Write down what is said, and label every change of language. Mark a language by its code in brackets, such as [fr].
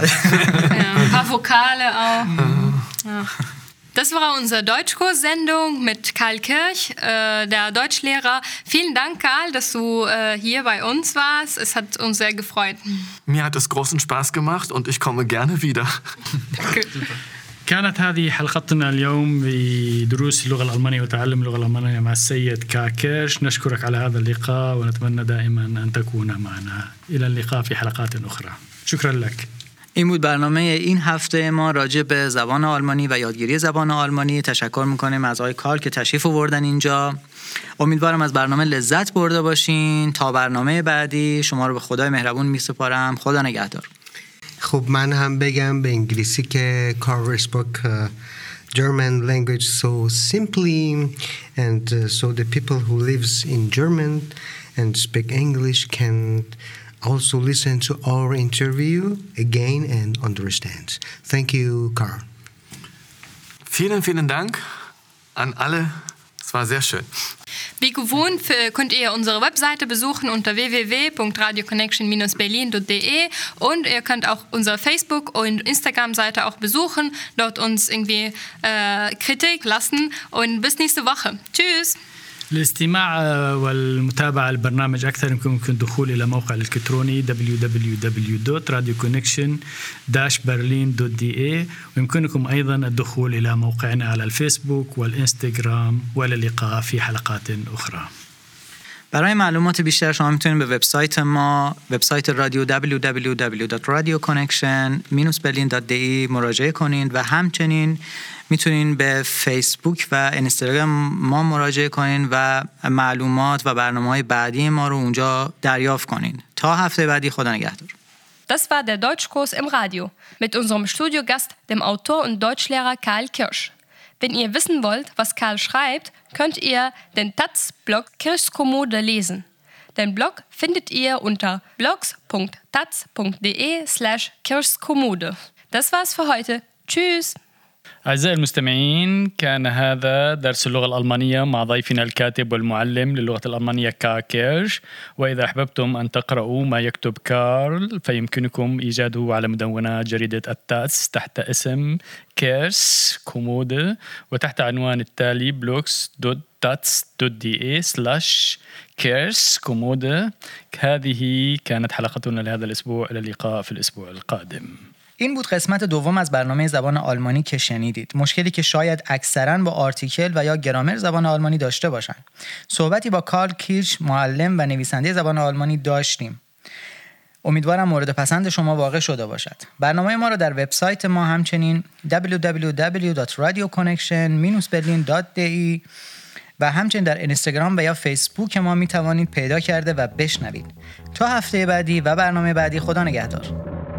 [de] Ja, ein paar Vokale auch. Mhm. Das war unsere Deutschkurssendung mit Karl Kirch, der Deutschlehrer. Vielen Dank, Karl, dass du hier bei uns warst. Es hat uns sehr gefreut. Mir hat es großen Spaß gemacht und ich komme gerne wieder. [ar] كانت هذه حلقتنا اليوم بدروس اللغة الألمانية وتعلم اللغة الألمانية مع السيد كاكيش. نشكرك على هذا اللقاء ونتمنى دائما أن تكون معنا. إلى اللقاء في حلقات أخرى. شكرا لك. [fa] این بود برنامه این هفته ما راجع به زبان آلمانی و یادگیری زبان آلمانی. تشکر میکنیم از آقای کارل که تشریف آوردن اینجا. امیدوارم از برنامه لذت برده باشین. تا برنامه بعدی شما رو به خدای مهربون میسپارم. خدا نگهدار. خب من هم بگم به انگلیسی که کارل اسپوک [en] German language so simply and so the people who lives in German and speak English can also listen to our interview again and understand. Thank you, Carl. [de] Vielen, vielen Dank an alle. Es war sehr schön. Wie gewohnt könnt ihr unsere Webseite besuchen unter www.radioconnection-berlin.de und ihr könnt auch unsere Facebook- und Instagram-Seite auch besuchen, dort uns irgendwie Kritik lassen und bis nächste Woche. Tschüss! [ar] للاستماع والمتابعة للبرنامج أكثر يمكنكم الدخول إلى موقع الإلكتروني www.radioconnection-berlin.de ويمكنكم أيضا الدخول إلى موقعنا على الفيسبوك والإنستغرام وللقاء في حلقات أخرى. [fa] برای معلومات بیشتر شما میتونید به وبسایت ما، وبسایت رادیو www.radioconnection-berlin.de مراجعه کنید و همچنین میتونید به فیسبوک و اینستاگرام ما مراجعه کنید و معلومات و برنامه‌های بعدی ما رو اونجا دریافت کنید. تا هفته بعدی خدا نگهدار. [de] Das war der Deutschkurs im Radio mit unserem Studiogast, dem Autor und Deutschlehrer Karl Kirsch. Wenn ihr wissen wollt, was Karl schreibt, könnt ihr den Taz-Blog Kirschkommode lesen. Den Blog findet ihr unter blogs.taz.de/kirschkommode. Das war's für heute. Tschüss! [ar] أعزائي المستمعين، كان هذا درس اللغة الألمانية مع ضيفنا الكاتب والمعلم للغة الألمانية كارل كيرش. وإذا أحببتم أن تقرأوا ما يكتب كارل فيمكنكم إيجاده على مدونة جريدة التاس تحت اسم كيرش كومودة وتحت عنوان التالي blogs.tats.de/kirschkommode. هذه كانت حلقتنا لهذا الأسبوع، إلى اللقاء في الأسبوع القادم. [fa] این بود قسمت دوم از برنامه زبان آلمانی که شنیدید، مشکلی که شاید اکثراً با آرتیکل و یا گرامر زبان آلمانی داشته باشند. صحبتی با کارل کیرش معلم و نویسنده زبان آلمانی داشتیم. امیدوارم مورد پسند شما واقع شده باشد. برنامه ما را در وبسایت ما همچنین www.radioconnection-berlin.de و همچنین در اینستاگرام و یا فیسبوک ما می توانید پیدا کرده و بشنوید. تا هفته بعدی و برنامه بعدی، خدا نگهدار.